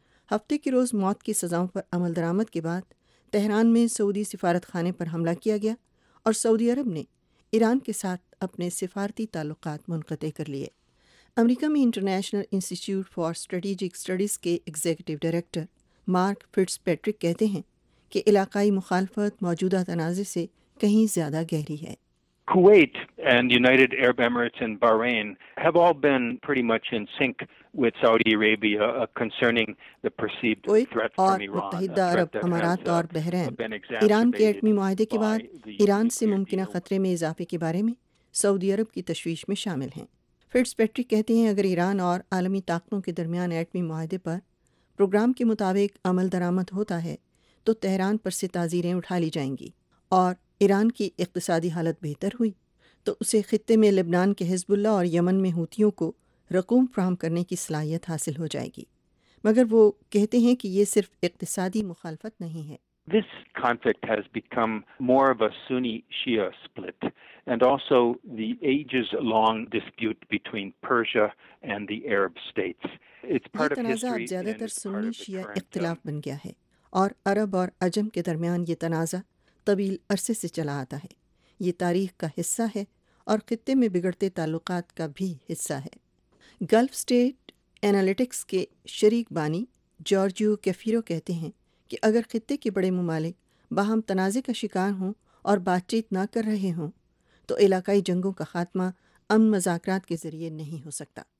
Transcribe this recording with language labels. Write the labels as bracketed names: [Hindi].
[Urdu] ہفتے کے روز موت کی سزاؤں پر عمل درآمد کے بعد تہران میں سعودی سفارت خانے پر حملہ کیا گیا اور سعودی عرب نے ایران کے ساتھ اپنے سفارتی تعلقات منقطع کر لیے. امریکہ میں international institute for strategic studies کے ایگزیکٹو ڈائریکٹر مارک فٹس پیٹرک کہتے ہیں کہ علاقائی مخالفت موجودہ تنازع سے کہیں زیادہ گہری ہے. [English] Kuwait and United Arab Emirates and Bahrain have all been pretty much in sync with Saudi Arabia concerning the perceived threat from Iran. [Urdu] اور متحدہ عرب امارات اور بحرین ایران کے ایٹمی معاہدے کے بعد ایران سے ممکنہ خطرے میں اضافے کے بارے میں سعودی عرب کی تشویش میں شامل ہیں. فٹس پیٹرک کہتے ہیں اگر ایران اور عالمی طاقتوں کے درمیان ایٹمی معاہدے پر پروگرام کے مطابق عمل درآمد ہوتا ہے تو تہران پر سے تعزیریں اٹھا لی جائیں گی, اور ایران کی اقتصادی حالت بہتر ہوئی تو اسے خطے میں لبنان کے حزب اللہ اور یمن میں حوثیوں کو رقوم فراہم کرنے کی صلاحیت حاصل ہو جائے گی. مگر وہ کہتے ہیں کہ یہ صرف اقتصادی مخالفت نہیں ہے. [English] This conflict has become more of a Sunni-Shia split, and also the ages-long dispute between Persia and the Arab states. It's part of history. [Urdu] تنازع زیادہ تر سنی-شیعہ اختلاف بن گیا ہے, اور عرب اور عجم کے درمیان یہ تنازع طویل عرصے سے چلا آتا ہے. یہ تاریخ کا حصہ ہے اور خطے میں بگڑتے تعلقات کا بھی حصہ ہے. گلف اسٹیٹ انالیٹکس کے شریک بانی جارجیو کیفیرو کہتے ہیں کہ اگر خطے کے بڑے ممالک باہم تنازع کا شکار ہوں اور بات چیت نہ کر رہے ہوں تو علاقائی جنگوں کا خاتمہ امن مذاکرات کے ذریعے نہیں ہو سکتا.